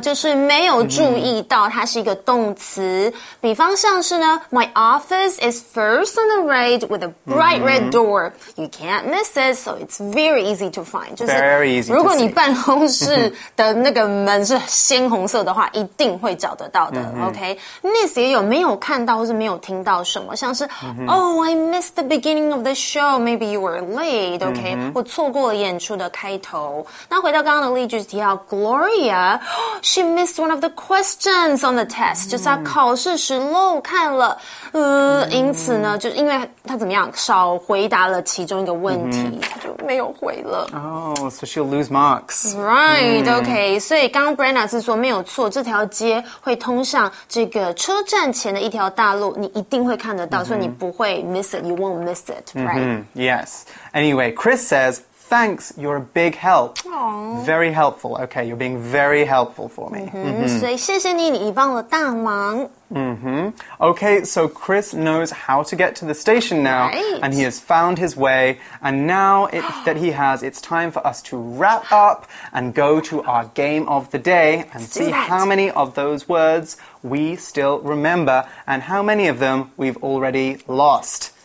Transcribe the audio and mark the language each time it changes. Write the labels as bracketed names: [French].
[Chinese] 就是没有注意到它是一个动词。比方像是呢 [English] My office is first on the right with a bright red door. You can't miss it, so it's very easy to find. Very easy to see. [Chinese] 如果你办公室的那个门是鲜红色的话一定会找得到的。 [English] OK, miss [Chinese] 也有没有看到或是没有听到什么像是 [English] Oh, I missed the beginning of the show. Maybe you were late. OK, [Chinese] 我错过了演出的开头。那回到刚刚的例句提到 Gloria, [English] she missed one of the questions on the test,、 [Chinese] mm. 就是她考试时漏看了、mm. 因此呢就因为她怎么样少回答了其中一个问题、mm. 她就没有回了。 [English] Oh, so she'll lose marks. [Chinese] Right,、mm. okay. 所以刚刚 Brenna 是说没有错这条街会通向这个车站前的一条大路你一定会看得到、mm-hmm. 所以你不会 [English] miss it, you won't miss it, right?、Mm-hmm. Yes. Anyway, Chris says,Thanks, you're a big help. Aww. Very helpful. Okay, you're being very helpful for me. Mm-hmm. Mm-hmm. [Chinese] 所以谢谢你，你帮了大忙。 Mm-hmm. [English] Okay, so Chris knows how to get to the station now,、 right. and he has found his way, and now that he has, it's time for us to wrap up and go to our game of the day and、 Let's、 see how many of those words we still remember and how many of them we've already lost.